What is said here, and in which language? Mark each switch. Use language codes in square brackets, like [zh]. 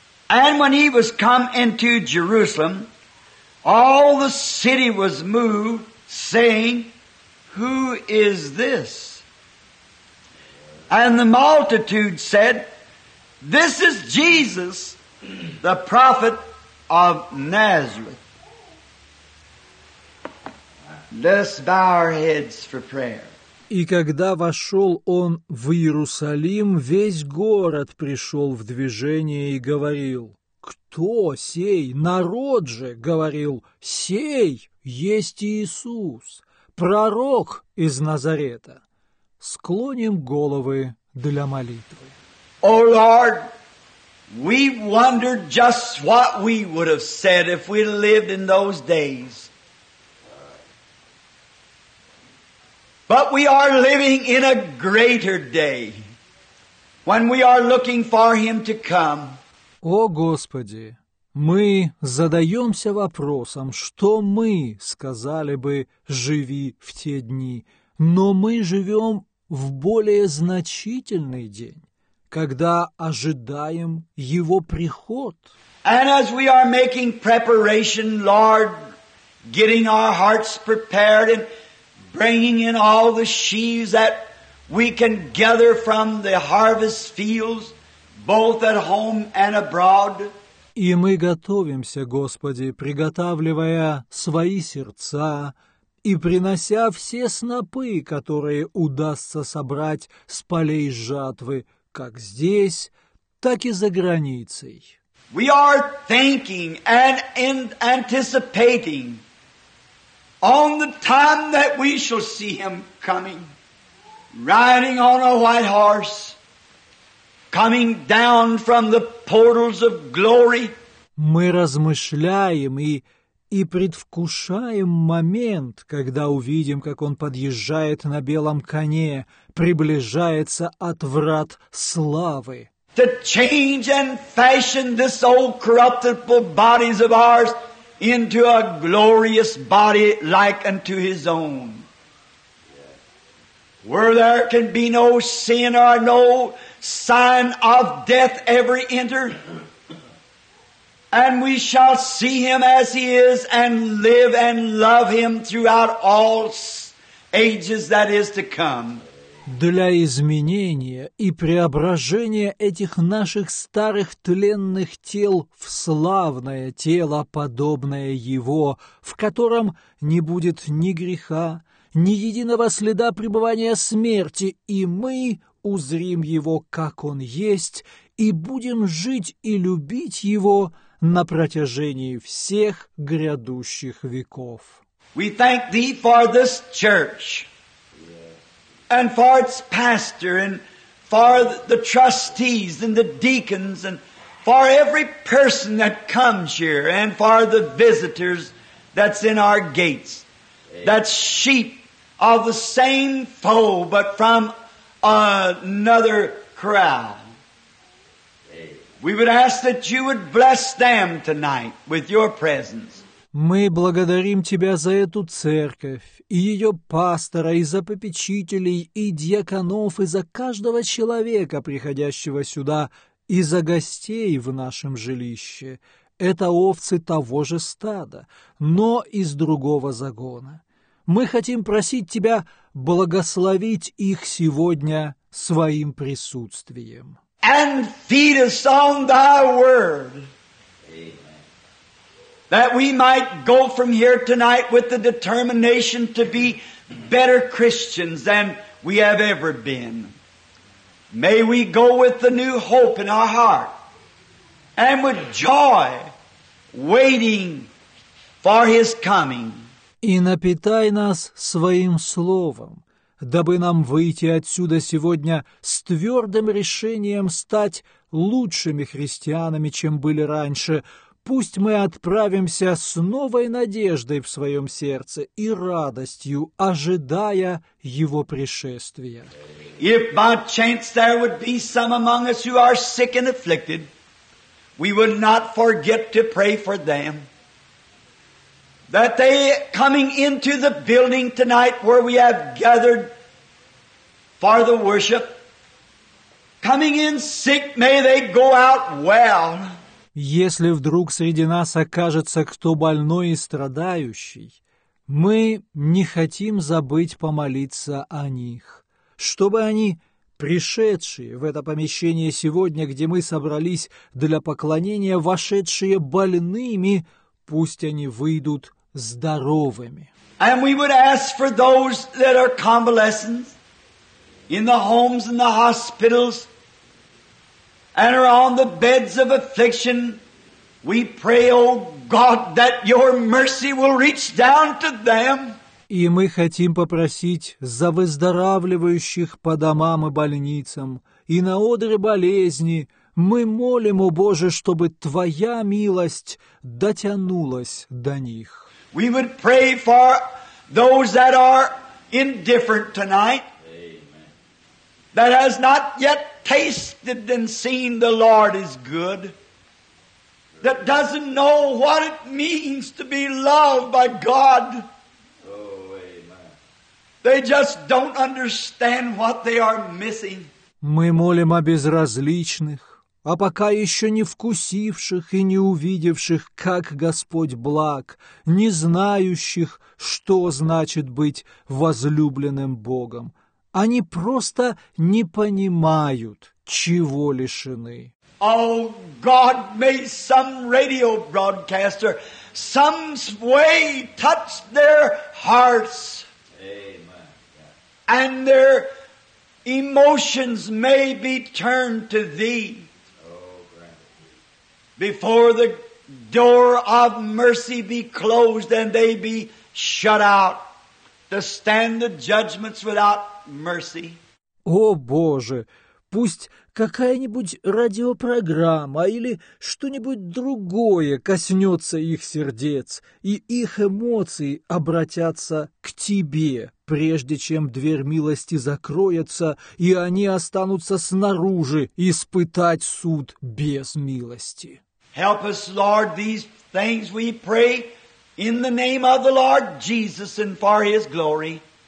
[en] And when he was come into Jerusalem, all the city was moved, saying, Who is this? And the multitude said, This is Jesus, the prophet of Nazareth. Let's bow our heads for prayer. [ru] И когда вошел он в Иерусалим, весь город пришел в движение и говорил: «Кто сей?» Народ же говорил: «Сей есть Иисус, пророк из Назарета». Склоним головы для молитвы. [en] О, Lord, we wondered just what we would have said if we lived in those days. But we are living in a greater day when we are looking for him to come. [ru] О Господи, мы задаемся вопросом, что мы сказали бы «живи в те дни», но мы живем в более значительный день, когда ожидаем его приход. [en] And as we are making preparation, Lord, getting our hearts prepared and bringing in all the sheaves that we can gather from the harvest fields, both at home and abroad. [ru] И мы готовимся, Господи, приготавливая свои сердца и принося все снопы, которые удастся собрать с полей жатвы, как здесь, так и за границей. [en] We are thinking and anticipating on the time that we shall see him coming, riding on a white horse, coming down from the portals of glory. [ru] Мы размышляем и предвкушаем момент, когда увидим, как он подъезжает на белом коне, приближается от врат славы. [en] To change and fashion this old corruptible bodies of ours into a glorious body like unto his own, where there can be no sin or no sign of death ever enter, and we shall see him as he is and live and love him throughout all ages that is to come. [ru] для изменения и преображения этих наших старых тленных тел в славное тело, подобное Его, в котором не будет ни греха, ни единого следа пребывания смерти, и мы узрим Его, как Он есть, и будем жить и любить Его на протяжении всех грядущих веков. [en] We thank Thee for this church, and for its pastor, and for the trustees, and the deacons, and for every person that comes here, and for the visitors that's in our gates, that's sheep of the same fold, but from another corral. We would ask that you would bless them tonight with your presence. [ru] Мы благодарим Тебя за эту церковь, и ее пастора, и за попечителей, и диаконов, и за каждого человека, приходящего сюда, и за гостей в нашем жилище. Это овцы того же стада, но из другого загона. Мы хотим просить Тебя благословить их сегодня своим присутствием. [en] And feed us on Thy word. That we might go from here tonight with the determination to be better Christians than we have ever been. May we go with the new hope in our heart and with joy waiting for His coming. [ru] И напитай нас своим словом, дабы нам выйти отсюда сегодня с твердым решением стать лучшими христианами, чем были раньше. Пусть мы отправимся с новой надеждой в своем сердце и радостью, ожидая Его пришествия. [en] If by chance there would be some among us who are sick and afflicted, we would not forget to pray for them. That they coming into the building tonight where we have gathered for the worship, coming in sick, may they go out well. [ru] Если вдруг среди нас окажется кто больной и страдающий, мы не хотим забыть помолиться о них, чтобы они, пришедшие в это помещение сегодня, где мы собрались для поклонения, вошедшие больными, пусть они выйдут здоровыми. [en] And we would ask for those that are convalescents in the homes and the hospitals, and are on the beds of affliction, we pray, O God, that Your mercy will reach down to them. [ru] И мы хотим попросить за выздоравливающих по домам и больницам, и на одре болезни, мы молим, О Боже, чтобы Твоя милость дотянулась до них. [en] We would pray for those that are indifferent tonight, that has not yet tasted and seen the Lord is good, that doesn't know what it means to be loved by God. Oh, amen. They just don't understand what they are missing. [ru] Мы молим о безразличных, о пока еще не вкусивших и не увидевших, как Господь благ, не знающих, что значит быть возлюбленным Богом. Они просто не понимают, чего лишены. [en] Oh, God, may some radio broadcaster some way touch their hearts. Amen. And their emotions may be turned to Thee. Oh, gratitude. Before the door of mercy be closed and they be shut out to stand the judgments without mercy. [ru] О, Боже, пусть какая-нибудь радиопрограмма или что-нибудь другое коснется их сердец, и их эмоции обратятся к Тебе, прежде чем дверь милости закроется, и они останутся снаружи испытать суд без милости. [en] Help us, Lord, these things we pray in the name of the Lord Jesus and for His glory.